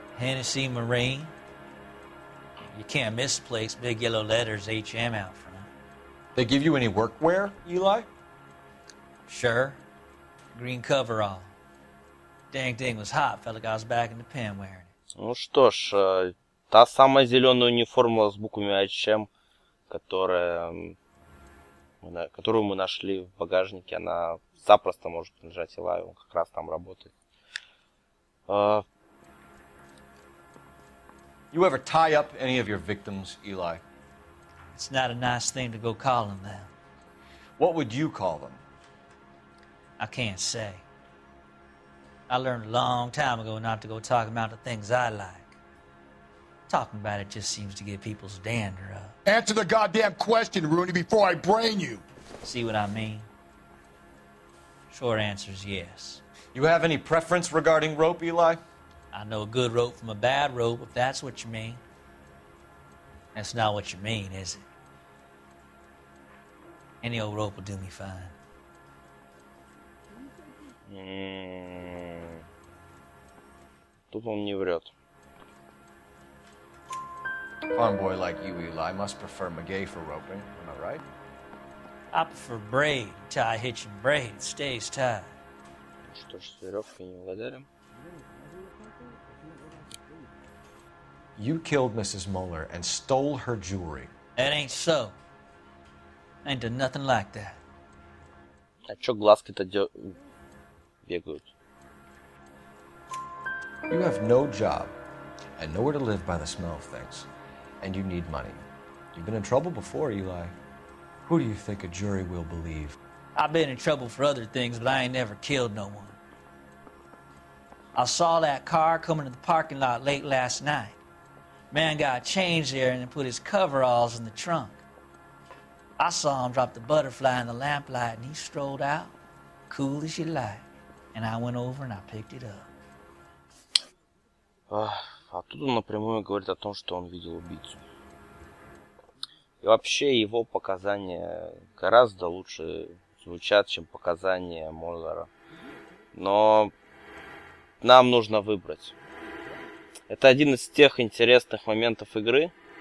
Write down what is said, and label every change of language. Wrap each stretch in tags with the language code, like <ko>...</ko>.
<en>Hennessy Marine. You can't miss the place. Big yellow letters HM out front. They give you any workwear, Eli? Sure. Green coverall. Dang thing was hot. Felt like I was back in the pen wearing it.</en> <ru>Ну что ж, та самая зеленая униформа с буквами HM, которую мы нашли в багажнике, она запросто может принадлежать Элаю, он как раз там работает.</ru> <en>You ever tie up any of your victims, Eli? It's not a nice thing to go call them that. What would you call them? I can't say. I learned a long time ago not to go talk about the things I like. Talking about it just seems to get people's dander up. Answer the goddamn question, Rooney, before I brain you. See what I mean? Short answer is yes. You have any preference regarding rope, Eli? I know a good rope from a bad rope, if that's what you mean. That's not what you mean, is it? Any old rope will do me fine.</en> <ru>Тут он не врет.</ru> <en>Farm boy like you, Eli, must prefer Magay for roping, am I right? I prefer braid, tie hitch and braid, stays tied.</en> <ru>Что ж, с веревкой не угадаем.</ru> <en>You killed Mrs. Muller and stole her jewelry. That ain't so. Ain't done nothing like that.</en> <ru>А чё глазки-то бегают?</ru> <en>You have no job and nowhere to live by the smell of things. And you need money. You've been in trouble before, Eli. Who do you think a jury will believe? I've been in trouble for other things, but I ain't never killed no one. I saw that car coming to the parking lot late last night. Man got changed there and put his coveralls in the trunk. I saw him drop the butterfly in the lamplight, and he strolled out, cool as you like. And I went over and I picked it up.</en> <ru>Оттуда напрямую говорит о том, что он видел убийцу. И вообще его показания гораздо лучше звучат, чем показания Моллера. Но нам нужно выбрать. Это один из тех интересных моментов игры.</ru>